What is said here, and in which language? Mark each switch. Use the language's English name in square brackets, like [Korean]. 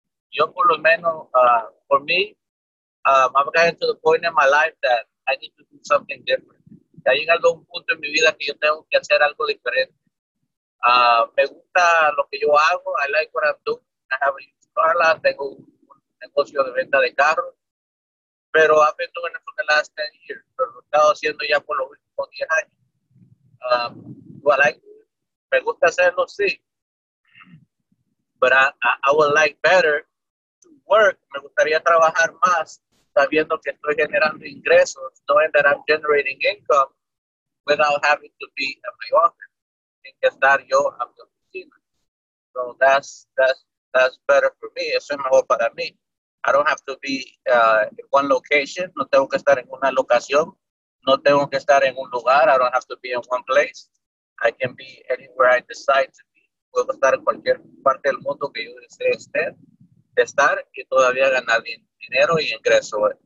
[English] Yo por lo menos, for me, I'm getting to the point in my life that I need to do something different. [Spanish] Ya llegando a un punto en mi vida que yo tengo que hacer algo diferente. [English] Me gusta lo que yo hago. I like what I'm doing. I have a used car lot. [Spanish] Tengo un negocio de venta de carros. [English] Pero I've been doing it for the last 10 years. [Spanish] Pero lo he estado haciendo ya por los últimos 10 años. [English] Me gusta hacerlo, sí. But I would like better to work. Me gustaría trabajar más sabiendo que estoy generando ingresos, knowing that I'm generating income without having to be in my office. [Spanish] Tengo que estar yo en mi oficina. So that's better for me. Eso es mejor para mí. [English] I don't have to be in one location. No tengo que estar en una locación. No tengo que estar en un lugar. I don't have to be in one place. I can be anywhere I decide to be. [Spanish] Puedo estar en cualquier parte del mundo que yo desee estar y todavía ganar dinero y ingreso.